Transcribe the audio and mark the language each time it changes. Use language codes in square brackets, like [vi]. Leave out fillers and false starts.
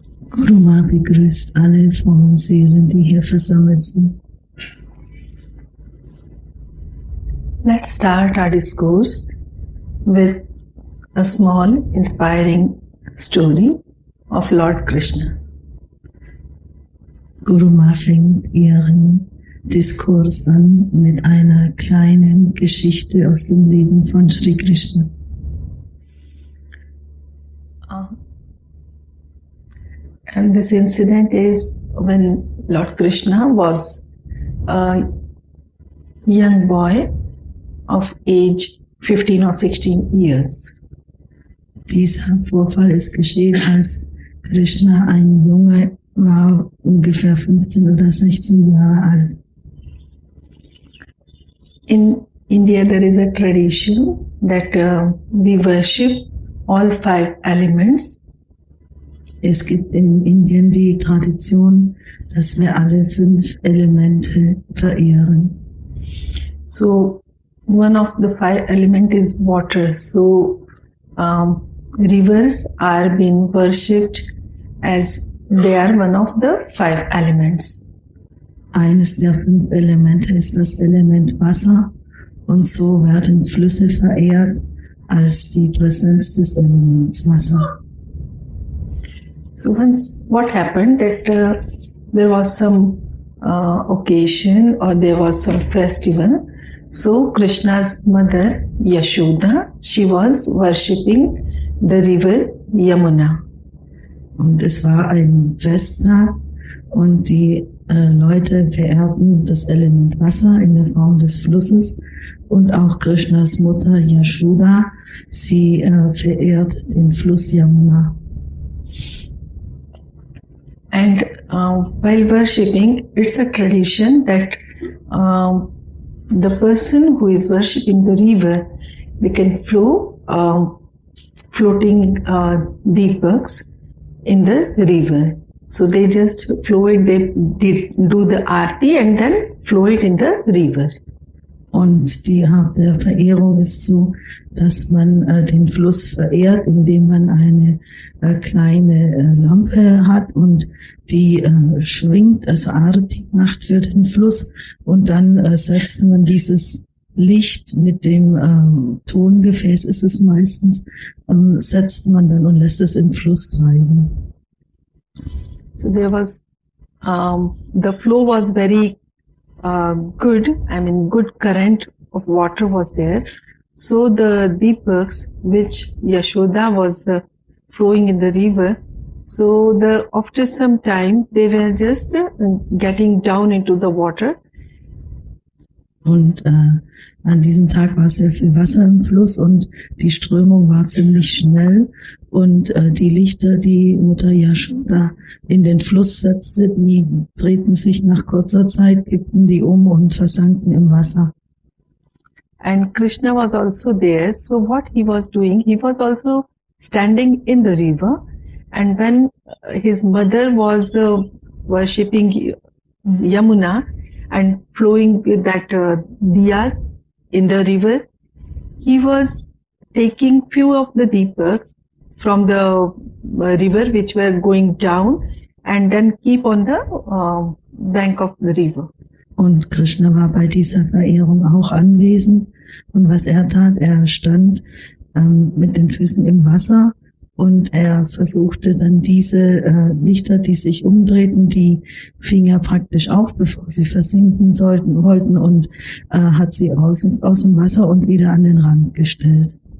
[en] Guru Mahabhigris, Alain Fonsi, Rindy here for some reason. Let's start our discourse with a small inspiring story of Lord Krishna. [de] Guru Ma fängt ihren Diskurs an mit einer kleinen Geschichte aus dem Leben von Sri Krishna. [en] And this incident is when Lord Krishna was a young boy of age 15 or 16 years. [de] Dieser Vorfall ist geschehen, als Krishna ein Junge war, ungefähr 15 oder 16 Jahre alt. [en] In India, there is a tradition that we worship all five elements. [de] Es gibt in Indien die Tradition, dass wir alle fünf Elemente verehren. [en] So, one of the five elements is water. So, rivers are being worshipped as they are one of the five elements. [de] Eines der fünf Elemente ist das Element Wasser, und so werden Flüsse verehrt als die Präsenz des Elements Wasser. [en] So once, what happened that there was some occasion or there was some festival. So Krishna's mother Yashoda, she was worshipping the river Yamuna. [de] Und es war ein Festtag und die Leute verehrten das Element Wasser in der Form des Flusses, und auch Krishnas Mutter Yashoda, sie verehrt den Fluss Yamuna. [en] And while worshipping, it's a tradition that the person who is worshipping the river, they can throw floating deepaks in the river. So they just throw it, they do the aarti and then throw it in the river. [de] Und die Art der Verehrung ist so, dass man den Fluss verehrt, indem man eine kleine Lampe hat und die schwingt, also Arti macht für den Fluss. Und dann setzt man dieses Licht mit dem Tongefäß, ist es meistens, setzt man dann und lässt es im Fluss treiben. [en] So there was, the flow was very good, I mean good current of water was there. So the deepaks which Yashoda was flowing in the river, so the after some time they were just getting down into the water. [de] Und an diesem Tag war sehr viel Wasser im Fluss und die Strömung war ziemlich schnell, und die Lichter, die Mutter Yashoda in den Fluss setzte, die drehten sich nach kurzer Zeit, kippten die um und versanken im Wasser. [en] And Krishna was also there, so what he was doing, he was also standing in the river, and when his mother was worshipping Yamuna and flowing that diyas in the river, he was taking few of the deepaks from the river which were going down and then keep on the bank of the river. [de] Und Krishna war bei dieser Verehrung auch anwesend, und was er tat, er stand mit den Füßen im Wasser und er versuchte dann diese Lichter, die sich umdrehten, die fing er praktisch auf, bevor sie versinken sollten, wollten, und hat sie aus dem Wasser und wieder an den Rand gestellt.